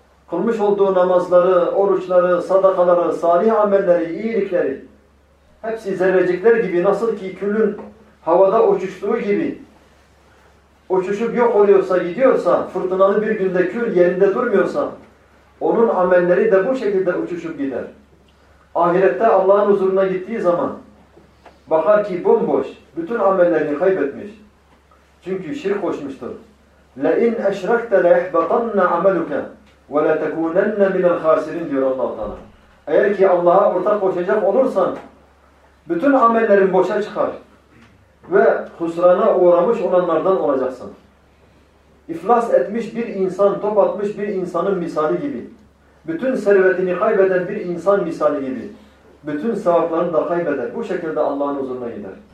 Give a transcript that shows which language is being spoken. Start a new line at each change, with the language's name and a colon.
Turkish: Kılmış olduğu namazları, oruçları, sadakaları, salih amelleri, iyilikleri hepsi zerrecikler gibi, nasıl ki küllün havada uçuştuğu gibi uçuşup yok oluyorsa, gidiyorsa, fırtınalı bir günde kül yerinde durmuyorsa onun amelleri de bu şekilde uçuşup gider. Ahirette Allah'ın huzuruna gittiği zaman bakar ki bomboş, bütün amellerini kaybetmiş. Çünkü şirk koşmuştur.
Arabic: لَاِنْ اَشْرَكْتَ لَيَحْبَطَنَّ عَمَلُكَ وَلَا تَكُونَنَّ مِنَ الْخَاسِرِينَ
Turkish: diyor Allah-u Teala. Eğer ki Allah'a ortak koşacak olursan bütün amellerin boşa çıkar ve husrana uğramış olanlardan olacaksın. İflas etmiş bir insan, top atmış bir insanın misali gibi, bütün servetini kaybeden bir insan misali gibi, bütün sevaplarını da kaybeder. Bu şekilde Allah'ın huzuruna gider.